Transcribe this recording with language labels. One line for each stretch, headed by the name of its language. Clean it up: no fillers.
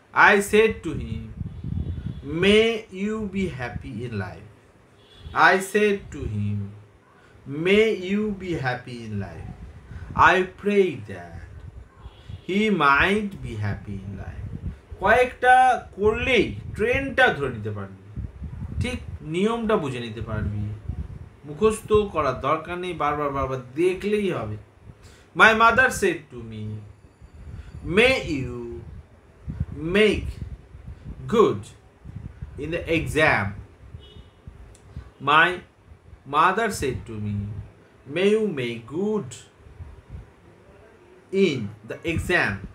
English: I said to him, may you be happy in life. I said to him, may you be happy in life. I pray that he might be happy in life.
Bangla: কয়েকটা করলেই ট্রেনটা ধরে নিতে পারবি, ঠিক নিয়মটা বুঝে নিতে পারবি, মুখস্থ করার দরকার নেই, বারবার বারবার দেখলেই হবে।
English: My mother said to me, may you make good in the exam. My mother said to me, may you make good in the exam.